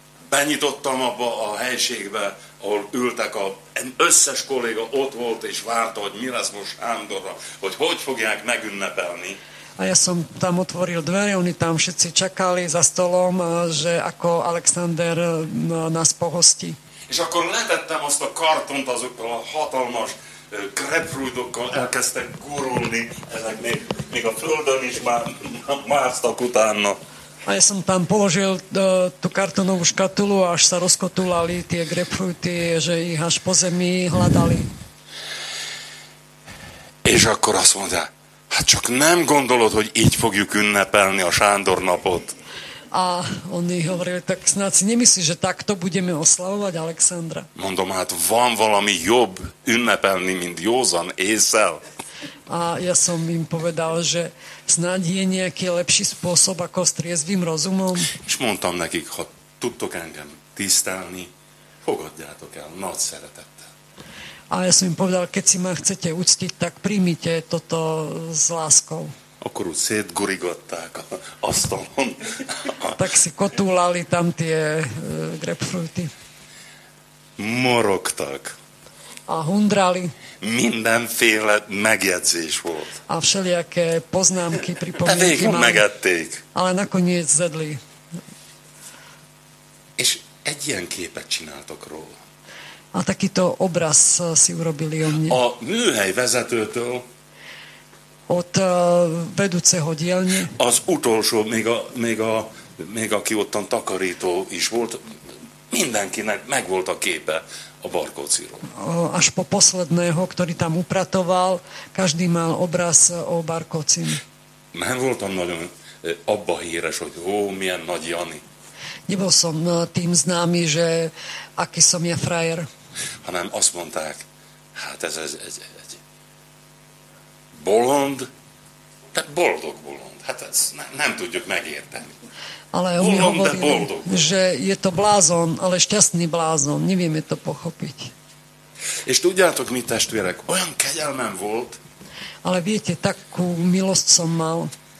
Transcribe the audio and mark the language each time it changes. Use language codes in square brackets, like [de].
[hu] Benyitottam abba a helységbe, ahol ültek összes kolléga ott volt, és várta, hogy mi lesz most Sándorra, hogy fogják megünnepelni. [sk] A ja som tam otvoril dvere, oni tam všetci čakali za stolom, že ako Alexander nás pohostí. [hu] És akkor letettem azt a kartont azokkal a hatalmas grapefruitokkal, elkezdtek gurulni, ezek még a földön is már másztak utána. [sk] A ja som tam položil tú kartonovú škatulu a až sa rozkotulali tie grapefruity, že ich až po zemi hľadali. [hu] És akkor azt mondta, hát csak nem gondolod, hogy így fogjuk ünnepelni a Sándor napot. [sk] A oni hovorili, tak snad si nemyslíš, že takto budeme oslavovať Alexandra. [hu] Mondom, hát van valami jobb ünnepelni, mint józan észel. [sk] A ja som im povedal, že snad je nejaký lepší spôsob ako s triezvým rozumom. [hu] És mondtam nekik, ha tudtok engem tisztelni, fogadjátok el nagy szeretettel. [sk] A ja som im povedal, keď si ma chcete uctiť, tak príjmite toto s láskou. [hu] Akkor úgy szétgurigották a asztalon. [sk] Tak si kotulali tam tie grapefruity. [hu] Morogtak. [sk] A hundrali. [hu] Mindenféle megjegyzés volt. [sk] A všelijaké poznámky, pripomienky. [hu] Végül mali, megették. [sk] Ale nakoniec zedli. [hu] És egy ilyen képet csináltak róla. [sk] A takýto obraz si urobili o mne. [hu] A műhely vezetőtől. [sk] Od vedúceho dielne. [hu] Az utolsó, még aki ottan takarító is volt, mindenkinek megvolt a képe a Barkóciról. [sk] Až po posledného, ktorý tam upratoval, každý mal obraz o Barkócin. [hu] Nem voltam nagyon abba híres, hogy ó, milyen nagy Jani. [sk] Nebol som tým známy, že aký som ja frajer. [hu] Hanem azt mondták, hát ez bolond, de boldog bolond. Hát ez nem tudjuk megérteni. [sk] Ale on mi hovoril, že je to blázon, ale šťastný blázon. Nevieme to pochopiť. [hu] És tudjátok, mi testvérek, olyan kegyelmem volt, [sk] ale viete, takú milosť som mal,